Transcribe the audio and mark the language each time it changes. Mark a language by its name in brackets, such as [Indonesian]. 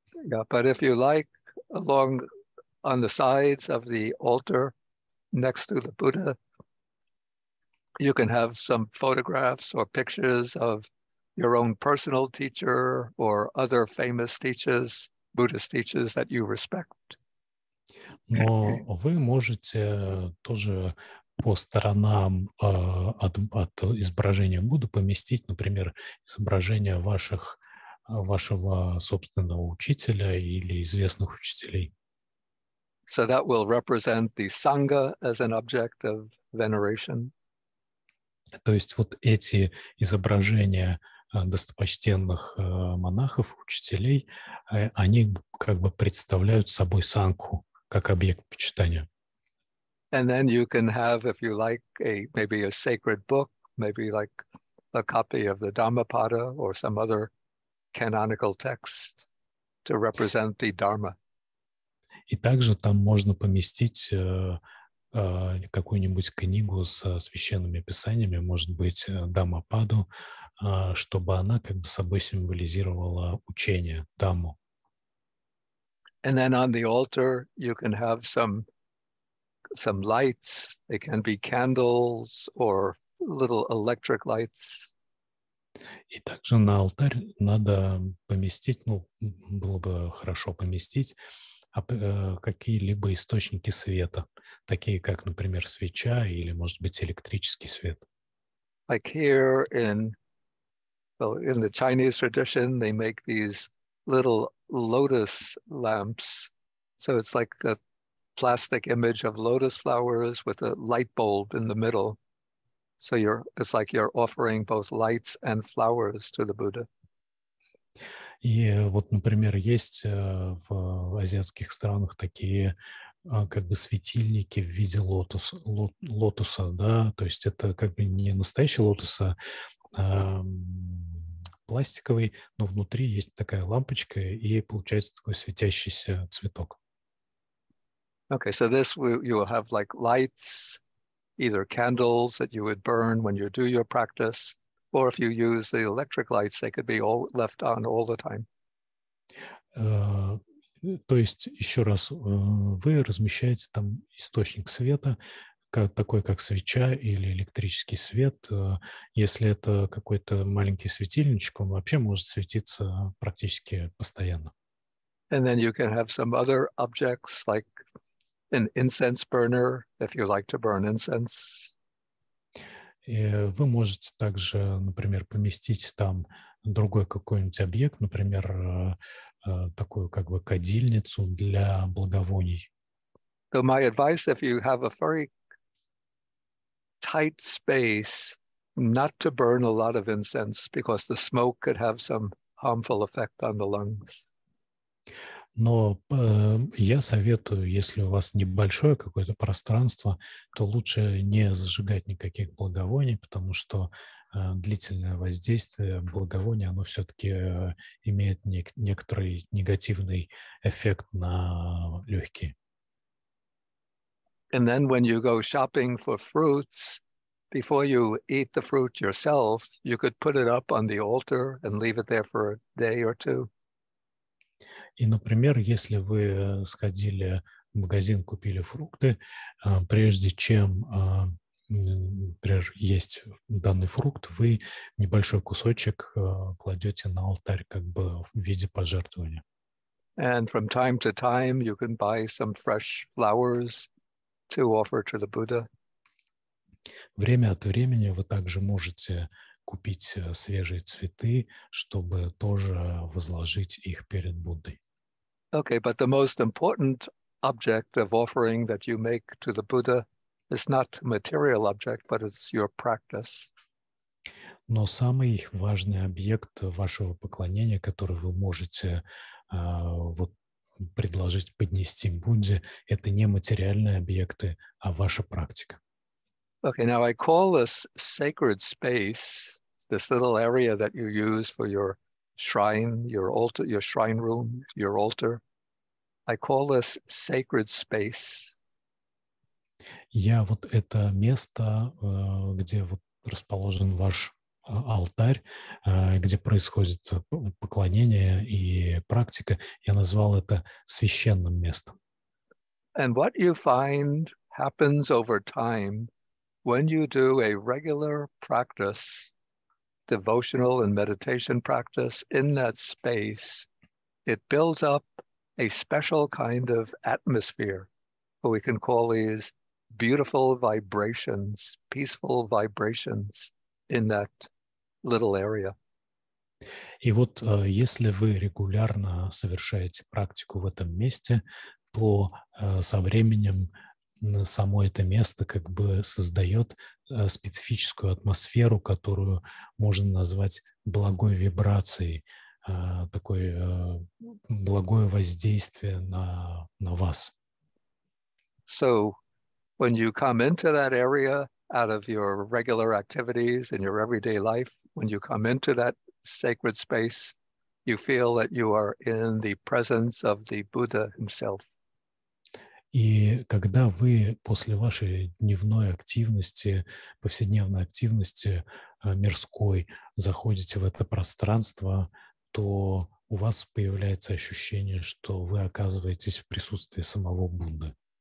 [English] Yeah, but if you like, along on the sides of the altar, next to the Buddha, you can have some photographs or pictures of your own personal teacher or other famous teachers, Buddhist teachers that you respect. [Russian] Но вы можете тоже по сторонам от изображения Будды поместить, например, изображение вашего собственного учителя или известных учителей. [English] So that will represent the Sangha as an object of veneration. [Russian] То есть вот эти изображения достопочтенных монахов, учителей, они как бы представляют собой Сангху как объект почитания. [English] And then you can have, if you like, maybe a sacred book, maybe like a copy of the Dhammapada or some other canonical text to represent the Dharma. [Russian] И также там можно поместить какую-нибудь книгу со священными писаниями, может быть, Дхаммападу, чтобы она как бы собой символизировала учение, Дхамму. [English] And then on the altar you can have some lights. They can be candles or little electric lights. [Russian] И также на алтарь надо поместить, ну, было бы хорошо поместить какие-либо источники света, такие как, например, свеча или, может быть, электрический свет. [English] Like here in the Chinese tradition, they make these little lotus lamps. So it's like a plastic image of lotus flowers with a light bulb in the middle. So it's like you're offering both lights and flowers to the Buddha. [Russian] И вот, например, есть в азиатских странах такие как бы светильники в виде лотоса, да, то есть это как бы не настоящий лотос, а пластиковый, но внутри есть такая лампочка, и получается такой светящийся цветок. [English] Okay, so this you will have like lights, either candles that you would burn when you do your practice, or if you use the electric lights, they could be all left on all the time. [Russian] То есть, еще раз, вы размещаете там источник света, такой как свеча или электрический свет. Если это какой-то маленький светильничек, он вообще может светиться практически постоянно. [English] And then you can have some other objects, like an incense burner, if you like to burn incense. [Russian] И вы можете также, например, поместить там другой какой-нибудь объект, например, такую как бы кадильницу для благовоний. [English] So my advice, if you have a very tight space, not to burn a lot of incense, because the smoke could have some harmful effect on the lungs. [Russian] Но я советую, если у вас небольшое какое-то пространство, то лучше не зажигать никаких благовоний, потому что длительное воздействие благовония, оно все-таки имеет некоторый негативный эффект на легкие. [English] And then when you go shopping for fruits, before you eat the fruit yourself, you could put it up on the altar and leave it there for a day or two. [Russian] И, например, если вы сходили в магазин, купили фрукты, прежде чем, например, есть данный фрукт, вы небольшой кусочек кладете на алтарь как бы в виде пожертвования. [English] And from time to time you can buy some fresh flowers to offer to the Buddha. [Russian] Время от времени вы также можете купить свежие цветы, чтобы тоже возложить их перед Буддой. [English] Okay, but the most important object of offering that you make to the Buddha is not material object, but it's your practice. [Russian] Но самый важный объект вашего поклонения, который вы можете предложить поднести Будде, это не материальные объекты, а ваша практика. [English] Okay, now I call this sacred space, this little area that you use for your shrine, your altar, your shrine room, your altar. I call this sacred space. [Russian] Я вот это место, где вот расположен ваш алтарь, где происходит поклонение и практика, я назвал это священным местом. [English] And what you find happens over time when you do a regular practice, devotional and meditation practice in that space, it builds up a special kind of atmosphere, what we can call these beautiful vibrations, peaceful vibrations in that little area. [Russian] И вот если вы регулярно совершаете практику в этом месте, то со временем само это место как бы создает специфическую атмосферу, которую можно назвать благой вибрацией, такое благое воздействие на вас. [English] So when you come into that area out of your regular activities in your everyday life, when you come into that sacred space, you feel that you are in the presence of the Buddha himself. [Russian] И когда вы после вашей дневной активности, повседневной активности мирской заходите в это пространство, то у вас появляется ощущение, что вы оказываетесь в присутствии самого Будды.